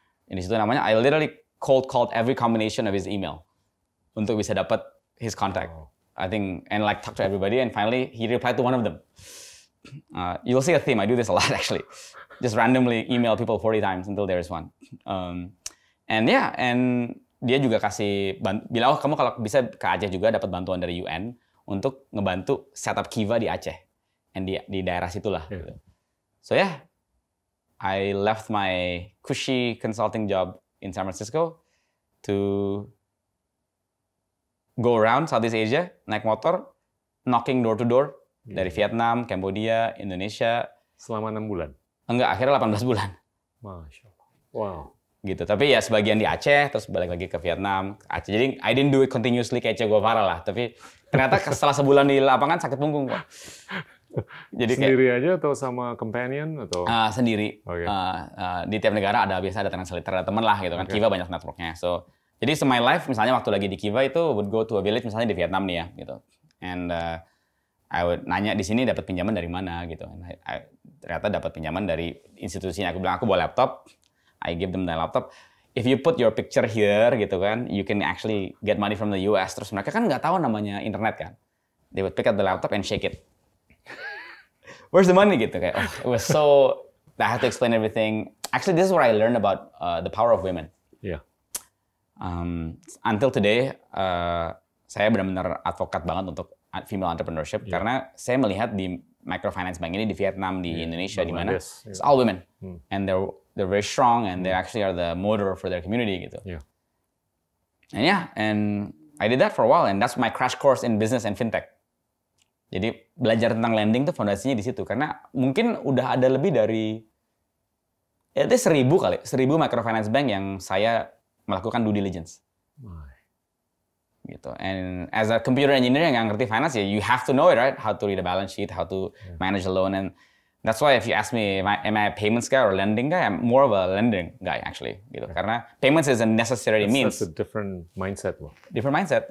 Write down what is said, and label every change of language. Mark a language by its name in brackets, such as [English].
[Indonesian] In situ namanya, [English] I literally cold called every combination of his email [Indonesian] untuk bisa dapat [English] his contact. Oh. I think and like talk to everybody and finally he replied to one of them. You'll see a theme. I do this a lot actually. Just randomly email people 40 times until there is one. [Indonesian] And yeah, and dia juga kasih bilang, oh kamu kalau bisa ke Aceh juga dapat bantuan dari UN untuk ngebantu setup Kiva di Aceh and di daerah situlah. [English] Yeah. So yeah, I left my cushy consulting job in San Francisco to go around Southeast Asia [Indonesian] naik motor, [English] knocking door to door dari Vietnam, Cambodia, Indonesia. [Indonesian] Selama 6 bulan? Enggak, akhirnya 18 bulan. Masya Allah. Wow. Gitu. Tapi ya sebagian di Aceh, terus balik lagi ke Vietnam, ke Aceh. Jadi [English] I didn't do it continuously [Indonesian] kayak Che Guevara lah. Tapi ternyata setelah sebulan di lapangan sakit punggung. Jadi sendiri kayak, aja atau sama companion atau? Sendiri. Okay. Di tiap negara ada biasa ada translator, ada teman lah gitu kan. Okay. Kiva banyak networknya. So jadi so my life misalnya waktu lagi di Kiva itu [English] would go to a village [Indonesian] misalnya di Vietnam nih ya gitu. [English] And I would [Indonesian] nanya di sini dapat pinjaman dari mana gitu. Ternyata dapat pinjaman dari institusinya. Aku bilang aku bawa laptop. [English] I give them the laptop. If you put your picture here gitu kan, you can actually get money from the US. [Indonesian] Terus mereka kan nggak tahu namanya internet kan. [English] They would pick up the laptop and shake it. Where's the money gitu kayak. Oh, it was so I had to explain everything. Actually this is where I learned about the power of women. Yeah. Until today [Indonesian] saya benar-benar advokat banget untuk female entrepreneurship yeah. karena saya melihat di microfinance bank ini di Vietnam, di yeah. Indonesia, di mana yeah. [English] it's all women and they're very strong and they actually are the motor for their community gitu. Yeah. And yeah, and I did that for a while and that's my crash course in business and fintech. [Indonesian] Jadi belajar tentang lending tuh fondasinya di situ karena mungkin udah ada lebih dari ya itu 1000 kali, 1000 microfinance bank yang saya melakukan due diligence. Gitu. [English] And as a computer engineer [Indonesian] yang gak ngerti finance ya, [English] you have to know it, right? How to read a balance sheet, how to manage a loan, and that's why if you ask me, am I a payments guy or a lending guy? I'm more of a lending guy actually. Gitu. Yeah. Karena payments is a necessary that's, means. That's a different mindset, loh. Different mindset.